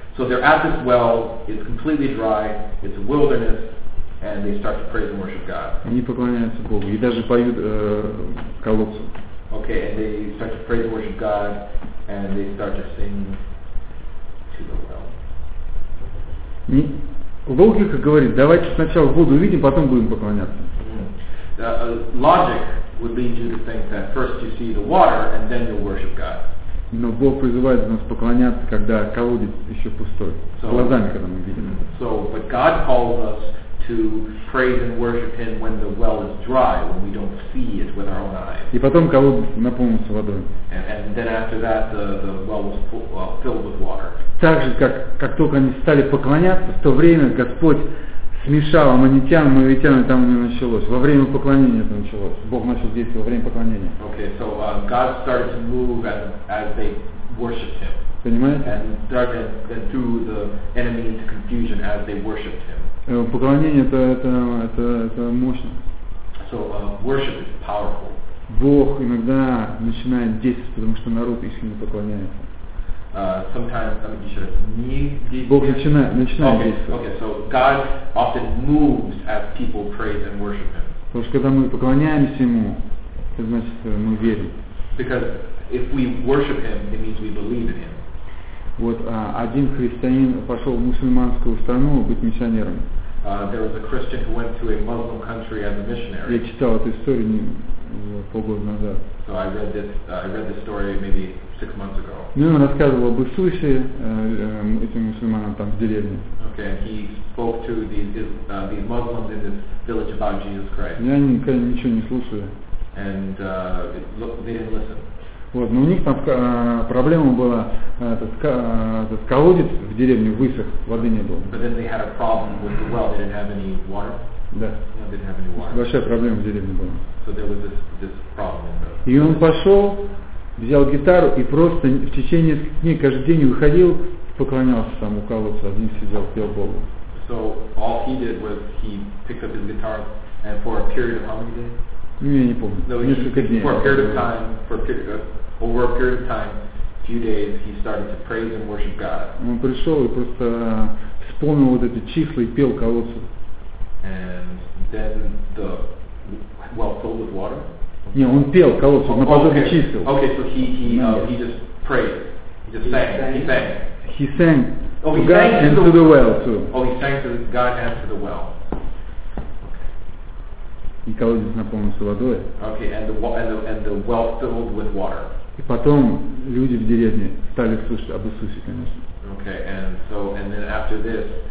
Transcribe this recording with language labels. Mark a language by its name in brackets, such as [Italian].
[English] So they're at this well. It's completely dry. It's a wilderness, and they start to praise and worship God. [Russian] Они поклоняются Богу и даже поют колодцу. [English] Okay, and they start to praise and worship God. And they start to sing to the well. [Russian] Логика говорит, давайте сначала воду увидим, потом будем поклоняться. [English] Logic would lead you to think that first you see the water and then you'll worship God. [Russian] Но Бог призывает нас поклоняться, когда колодец еще пустой. So, глазами, когда мы видим это. [English] So, but God calls us to praise and worship Him when the well is dry, when we don't see it with our own eyes. [Russian] И потом колодец наполнится водой. [English] And then after that, the well was filled with water. [Russian] Так же, как только они стали поклоняться, в то время Господь смешал аммонитян, моавитян, и там у него началось. Во время поклонения это началось. Бог начал действовать во время поклонения. [English] Okay, so God started to move as they worshiped Him. [Russian] Понимаете? [English] And drew the enemy into confusion as they worshipped him. [Russian] Поклонение это мощно. [English] So worship is powerful. [Russian] Бог иногда начинает действовать, потому что народ искренне поклоняется. [English] Sometimes I mean, you should need [Russian] Бог начинает действовать. [English] Okay, so God often moves as people praise and worship him. [Russian] Потому что когда мы поклоняемся ему, это значит мы верим. [English] Because if we worship him, it means we believe in him. [Russian] Вот один христианин пошел в мусульманскую страну быть миссионером. [English] There was a Christian who went to a Muslim country as a missionary. [Russian] Я читал эту историю полгода назад. [English] So I read this story maybe 6 months ago. [Russian] Ну, он рассказывал об Иисусе этим мусульманам там в деревне. [English] Okay, and he spoke to these Muslims in this village about Jesus Christ. [Russian] Я никогда ничего не слушаю. [English] And they didn't listen. [Russian] Вот, но у них там проблема была, этот колодец в деревне высох, воды не было. [English] But then they had a problem with the well, they didn't have any water. [Russian] Да. [English] Yeah, they didn't have any water. [Russian] Большая проблема в деревне была. [English] So there was this problem. [Russian] И он пошел, взял гитару и просто в течение дней каждый день выходил, поклонялся там у колодца, один сидел, пел Богу. [English] So all he did was he picked up his guitar and for a period of how many days? [Russian] Ну, я не помню. Несколько дней. [English] For a period of time, over a period of time, few days, he started to praise and worship God. [Russian] Он пришел и просто вспомнил вот эти числа и пел колодцу. [English] And then the well filled with water? [Russian] Не, он пел колодцу, на подобие чисел. [English] Okay, so he just prayed. He sang God and to the well, too. Oh, he sang to God and to the well. [Russian] И колодец наполнился водой. [English] Okay, and the well filled with water. [Russian] И потом люди в деревне стали слушать об Иисусе, конечно. [English] Okay, and then after this,